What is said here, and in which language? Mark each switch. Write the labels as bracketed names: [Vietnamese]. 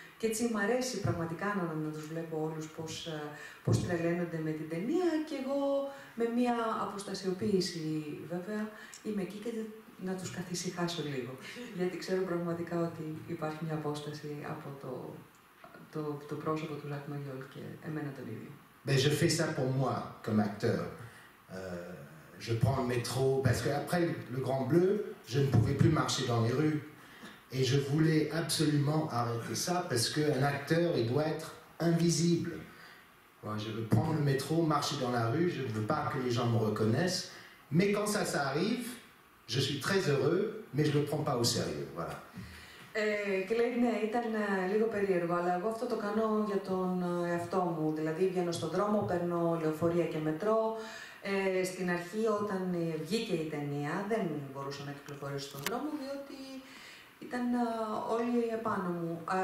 [Greek] Και έτσι μου αρέσει πραγματικά να τους βλέπω όλους πώς τρελαίνονται με την ταινία, και εγώ με μία αποστασιοποίηση βέβαια είμαι εκεί και να τους καθησυχάσω λίγο. Γιατί ξέρω πραγματικά ότι υπάρχει μία απόσταση από το πρόσωπο του Ζακ Μαγιόλ και εμένα τον ίδιο. [French] Ben, je fais ça pour moi, comme acteur. Je prends le métro, parce qu'après le Grand Bleu, je ne pouvais plus marcher dans les rues. Et je voulais absolument arrêter ça, parce qu'un acteur, il doit être invisible. Bon, je veux prendre le métro, marcher dans la rue, je ne veux pas que les gens me reconnaissent. Mais quand ça, ça arrive, je suis très heureux, mais je ne le prends pas au sérieux, voilà. [Greek] Και λέει, ναι, ήταν λίγο περίεργο, αλλά εγώ αυτό το κάνω για τον εαυτό μου. Δηλαδή, βγαίνω στον δρόμο, παίρνω λεωφορεία και μετρό. Στην αρχή, όταν βγήκε η ταινία, δεν μπορούσα να κυκλοφορήσω στον δρόμο, διότι ήταν όλοι επάνω μου.